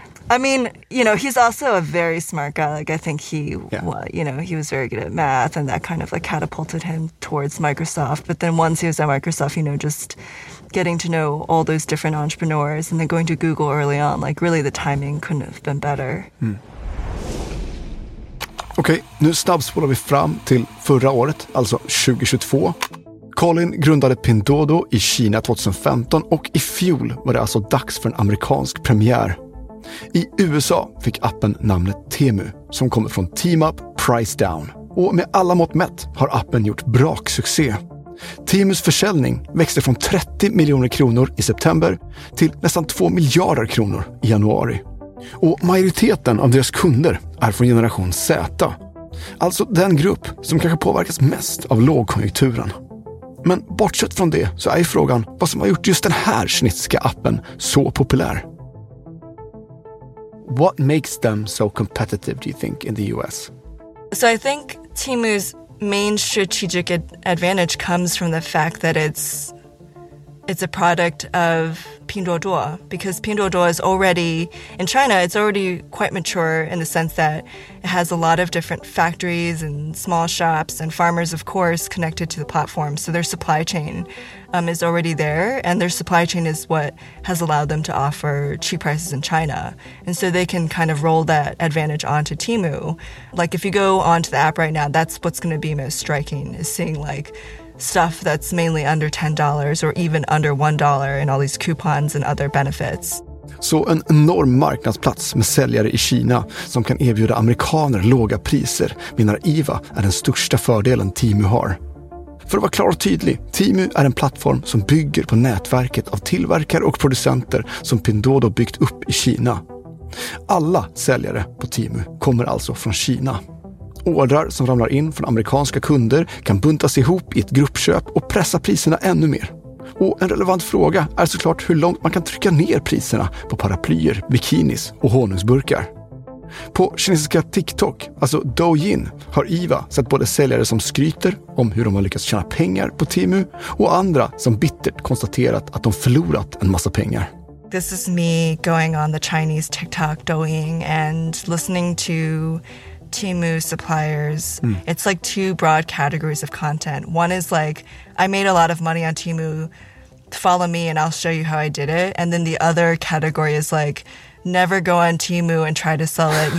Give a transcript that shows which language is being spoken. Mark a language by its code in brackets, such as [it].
[en] I mean, you know, he's also a very smart guy. Like, I think he, you know, he was very good at math, and that kind of like catapulted him towards Microsoft. But then once he was at Microsoft, you know, just getting to know all those different entrepreneurs and then going to Google early on, like, really the timing couldn't have been better. Mm. [sv] Okej, nu snabbspolar vi fram till förra året, alltså 2022. Colin grundade Pinduoduo i Kina 2015, och i fjol var det alltså dags för en amerikansk premiär. I USA fick appen namnet Temu, som kommer från [en] Team Up, Price Down. [sv] Och med alla mått mätt har appen gjort braksuccé. Temus försäljning växte från 30 miljoner kronor i september till nästan 2 miljarder kronor i januari. Och majoriteten av deras kunder är från generation Z, alltså den grupp som kanske påverkas mest av lågkonjunkturen. Men bortsett från det så är ju frågan vad som har gjort just den här kinesiska appen så populär. [en] What makes them so competitive, do you think, in the US? So I think Temu's main strategic advantage comes from the fact that it's a product of Pinduoduo, because Pinduoduo is already, in China, it's already quite mature in the sense that it has a lot of different factories and small shops and farmers, of course, connected to the platform. So their supply chain is already there, and their supply chain is what has allowed them to offer cheap prices in China. And so they can kind of roll that advantage onto Temu. Like, if you go onto the app right now, that's what's going to be most striking, is seeing, like, stuff that's mainly under $10 or even under $1 and all these coupons and other benefits. [sv] Så en enorm marknadsplats med säljare i Kina som kan erbjuda amerikaner låga priser, menar Eva, är den största fördelen Temu har. För att vara klar och tydlig, Temu är en plattform som bygger på nätverket av tillverkare och producenter som Pinduoduo byggt upp i Kina. Alla säljare på Temu kommer alltså från Kina. Ordrar som ramlar in från amerikanska kunder kan buntas ihop i ett gruppköp och pressa priserna ännu mer. Och en relevant fråga är såklart hur långt man kan trycka ner priserna på paraplyer, bikinis och honungsburkar. På kinesiska TikTok, alltså Douyin, har Eva sett både säljare som skryter om hur de har lyckats tjäna pengar på Temu och andra som bittert konstaterat att de förlorat en massa pengar. [en] This is me going on the Chinese TikTok Douyin and listening to Temu suppliers. It's like two broad categories of content. One is like, I made a lot of money on Temu, follow me and I'll show you how I did it. And then the other category is like, never go on Temu and try to sell it.